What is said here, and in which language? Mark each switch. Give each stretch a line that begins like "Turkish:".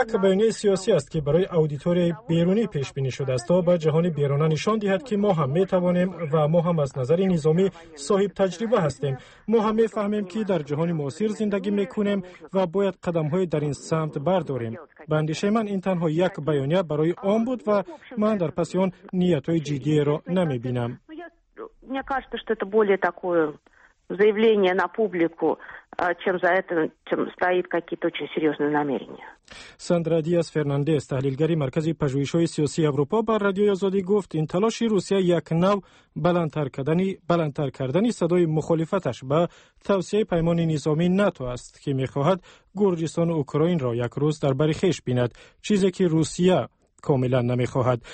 Persian: یک بیانیه سیاسی است که برای اودیتوری بیرونی پیش بینی شده است تا به جهان بیرون نشان دهد که ما هم می توانیم و ما هم از نظر نظامی صاحب تجربه هستیم. ما هم می فهمیم که در جهان معاصر زندگی می کنیم و باید قدم های در این سمت برداریم. بندیش من این تنها یک بیانیه برای آن بود و من در پس آن نیت های جدی را نمی بینم.
Russian: заявление на публику, чем за это, чем стоит какие-то очень серьезные намерения.
Tajik: Сандра Диас Фернандес, тахлилгари маркази пажуишои сиёси Европа ба радиои Азоди гуфт, ин талоши Русия як нав баландтар кардани садои мухолифаташ ба тавсияи паймони низоми НАТО аст, ки мехоҳад Гурҷистону Украинро як рӯз дар бари хеш бинад, чизе ки Русия کاملا نمیخواهد.